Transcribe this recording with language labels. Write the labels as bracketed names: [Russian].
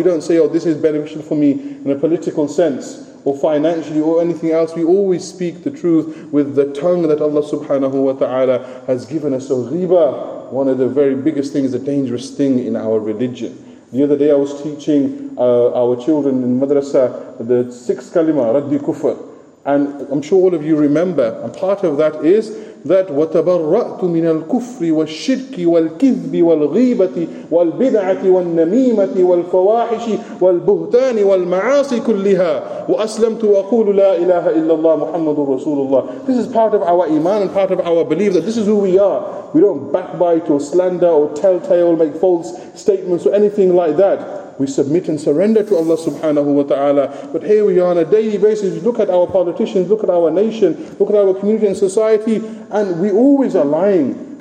[English] We don't say, oh, this is beneficial for me in a political sense, or financially, or anything else. We always speak the truth with the tongue that Allah subhanahu wa ta'ala has given us. So ghibah, one of the very biggest things, a dangerous thing in our religion. The other day I was teaching our children in madrasa the sixth kalima, raddi kufr. And I'm sure all of you remember, and part of that is that [Arabic] وَتَبَرَّأْتُ مِنَ الْكُفْرِ وَالشِّرْكِ وَالْكِذْبِ وَالْغِيبَةِ وَالْبِدْعَةِ وَالنَّمِيمَةِ وَالْفَوَاحِشِ وَالْبُهْتَانِ وَالْمَعَاصِ كُلِّهَا وَأَسْلَمْتُ وَأَقُولُ لَا إِلَهَ إِلَّا اللَّهُ مُحَمَّدُ رَسُولُ اللَّهِ. [English] This is part of our iman and part of our belief that this is who we are. We don't backbite or slander or tell tale, make false statements or anything like that. We submit and surrender to Allah subhanahu wa ta'ala. But here we are on a daily basis. We look at our politicians, look at our nation, look at our community and society, and we always are lying.